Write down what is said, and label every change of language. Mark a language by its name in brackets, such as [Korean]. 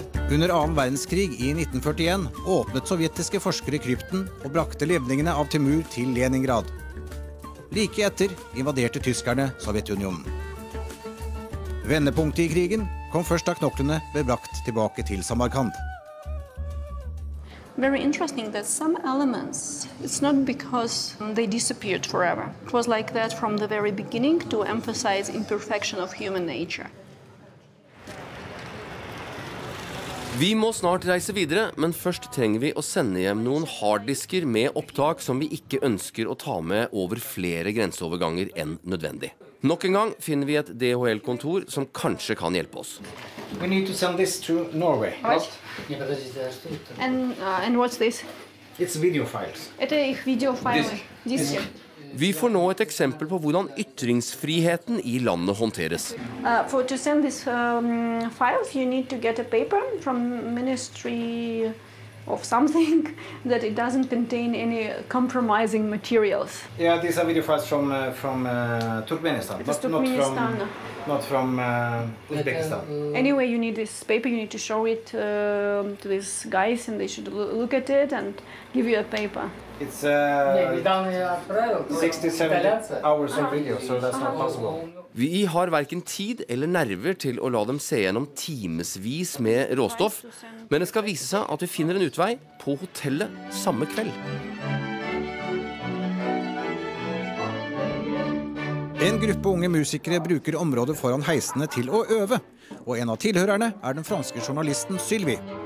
[Swedish] Under andra världskrig i 1941 öppnade sovjetiska forskare krypten och brakte levningarna av Timur till Leningrad. Lika efter invaderade tyskarna Sovjetunionen. Vändepunkten i krigen kom först när knoklarna blev brakt tillbaka till Samarkand. [English] Very interesting that some elements, it's not because they disappeared forever. It was like that from the very beginning to emphasize imperfection of human nature. [Norwegian] Vi må snart reise videre, men først trenger vi å sende hjem noen harddisker med opptak som vi ikke ønsker å ta med over flere grenseoverganger enn nødvendig. Nok en gang finner vi et DHL-kontor som kanskje kan hjelpe oss. [English] We need to send this to Norway. What? And what's this? It's video files. [Norwegian] Det er [English] video files. [Norwegian] Vi får nå et eksempel på hvordan ytringsfriheten i landet håndteres. [English] For to send this files, you need to get a paper from ministry of something that it doesn't contain any compromising materials. Yeah, these are video files from Turkmenistan, not from Uzbekistan. Anyway, you need this paper, you need to show it to these guys and they should look at it and give you a paper. It's 60-70 hours of video, so that's not possible. [Norwegian] Vi har hverken tid eller nerver til å la dem se gjennom timesvis med råstoff, men det skal vise seg at vi finner en utvei på hotellet samme kveld. En gruppe unge musikere bruker området foran heisene til å øve, og en av tilhørerne den franske journalisten Sylvie.